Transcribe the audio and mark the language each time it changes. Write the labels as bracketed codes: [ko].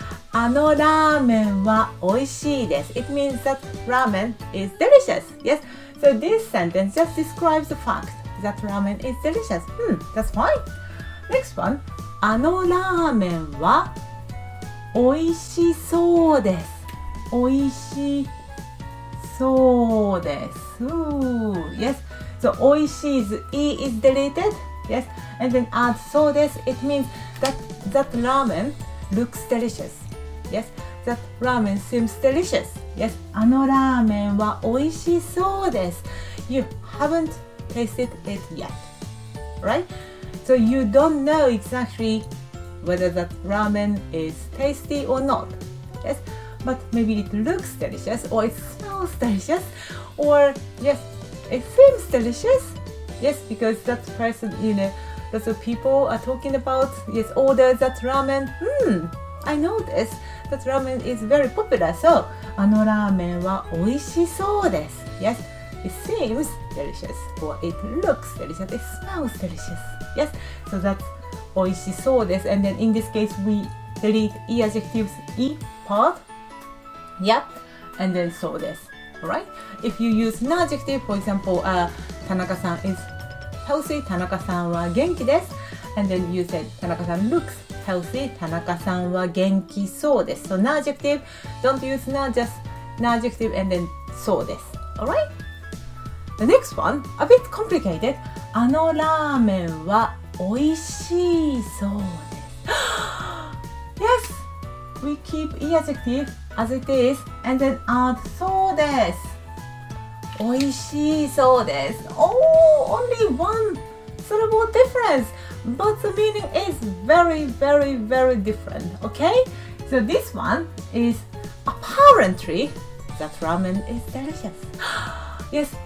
[ja] あのラーメンは美味しいです。 [en] It means that ramen is delicious, yes? So this sentence just describes the fact that ramen is delicious. That's fine. Next one. [ja] あのラーメンは美味しそうです。美味しそうです。Yes. [en] So, 美味しい E is deleted. Yes. And then add [ja] そうです。 [en] It means that ramen looks delicious. Yes. That ramen seems delicious. Yes. [ja] あのラーメンは美味しそうです。 [en] You haven't tasted it yet. Right? So you don't know exactly whether that ramen is tasty or not. Yes, but maybe it looks delicious, or it smells delicious, or yes, it seems delicious. Yes, because that person, you know, lots of people are talking about, yes, order that ramen. I noticed that ramen is very popular. [ja] So, あのラーメンは美味しそうです. [en] Yes. It seems delicious, or it looks delicious, it smells delicious. Yes, so that's [ja] oishisou desu. [en] And then in this case, we delete e adjectives e part. Yep, and then so desu. Alright, if you use an adjective, for example, Tanaka-san is healthy, [ja] Tanaka-san wa genki desu. [en] And then you said Tanaka-san looks healthy, [ja] Tanaka-san wa genki so desu. [en] So an adjective, don't use na, just an adjective and then so desu. Alright? The next one, a bit complicated. [ja] あのラーメンは美味しそうです。 [en] Yes! We keep e adjective as it is and then add [ja] そうです。美味しそうです。 [en] Oh, only one syllable difference. But the meaning is very, very, very different. Okay? So this one is apparently that ramen is delicious. Yes!